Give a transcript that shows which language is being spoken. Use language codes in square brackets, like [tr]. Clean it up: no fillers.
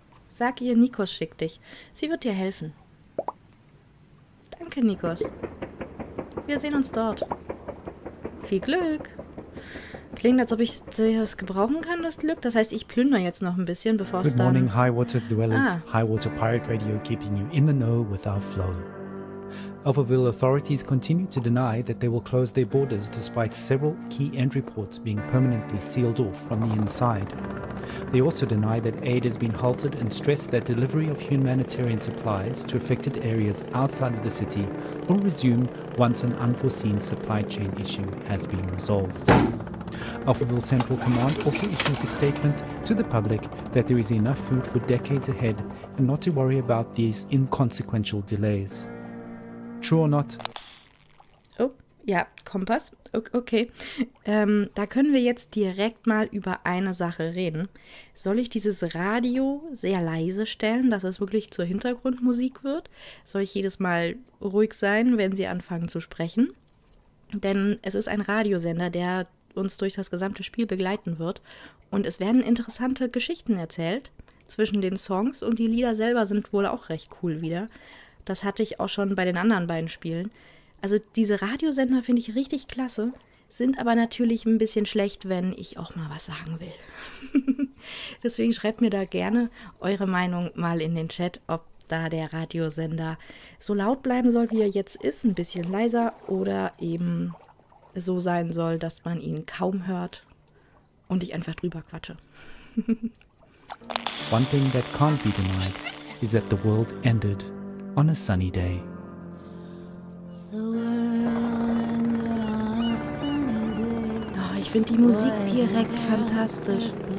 [de] Sag ihr, Nikos schickt dich. Sie wird dir helfen. Danke, Nikos. Wir sehen uns dort. Viel Glück. Klingt, als ob ich das gebrauchen kann, das Glück. Das heißt, ich plündere jetzt noch ein bisschen, bevor es dann... [en] Good morning, Highwater Dwellers. Ah. Highwater Pirate Radio keeping you in the know with our flow. AlphaVille authorities continue to deny that they will close their borders despite several key entry ports being permanently sealed off from the inside. They also deny that aid has been halted and stress that delivery of humanitarian supplies to affected areas outside of the city will resume once an unforeseen supply chain issue has been resolved. AlphaVille Central Command also issued a statement to the public that there is enough food for decades ahead and not to worry about these inconsequential delays. True or not? [de] Ja, Kompass. Okay. Da können wir jetzt direkt mal über eine Sache reden. Soll ich dieses Radio sehr leise stellen, dass es wirklich zur Hintergrundmusik wird? Soll ich jedes Mal ruhig sein, wenn sie anfangen zu sprechen? Denn es ist ein Radiosender, der uns durch das gesamte Spiel begleiten wird. Und es werden interessante Geschichten erzählt zwischen den Songs und die Lieder selber sind wohl auch recht cool wieder. Das hatte ich auch schon bei den anderen beiden Spielen. Also diese Radiosender finde ich richtig klasse, sind aber natürlich ein bisschen schlecht, wenn ich auch mal was sagen will. Deswegen schreibt mir da gerne eure Meinung mal in den Chat, ob da der Radiosender so laut bleiben soll, wie er jetzt ist, ein bisschen leiser oder eben so sein soll, dass man ihn kaum hört und ich einfach drüber quatsche. [en] One thing that can't be denied is that the world ended on a sunny day. [de] Oh, ich finde die Musik direkt fantastisch.